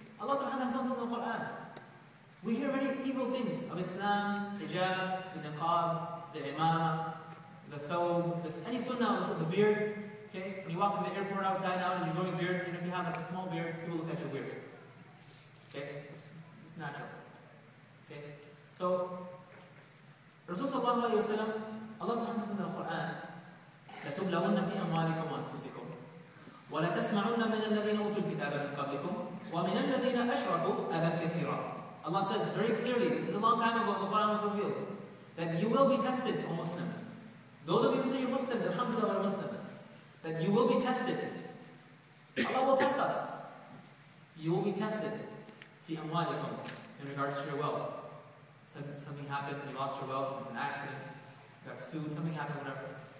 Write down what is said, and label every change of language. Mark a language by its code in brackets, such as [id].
[en] Allah subhanahu wa ta'ala tells us in the Quran. We hear many evil things of Islam, hijab, the niqab, the imamah, the thawb, any sunnah, also the beard. Okay? When you walk to the airport outside now and you're growing a beard, and if you have like a small beard, people look at your beard. Okay, it's natural. Okay, so Rasulullah sallallahu alaihi wasallam, Allah says in the Quran, [ar] "لَتُبْلَوُنَّ فِي أَمْوَالِكُمْ وَأَنفُسِكُمْ وَلَا تَسْمَعُنَّ مِنَ الَّذِينَ أُوتُوا الْكِتَابَ مِنْ قَبْلِكُمْ وَمِنَ الَّذِينَ أَشْرَكُوا أَذًى كَثِيرًا." [en] Allah says very clearly, this is a long time ago when the Quran was revealed, that you will be tested, O Muslims. Those of you who say you're Muslims, alhamdulillah, are Muslims. That you will be tested. Allah will test us. You will be tested. In regards to your wealth. Something happened, you lost your wealth, an accident, you got sued, something happened, whatever.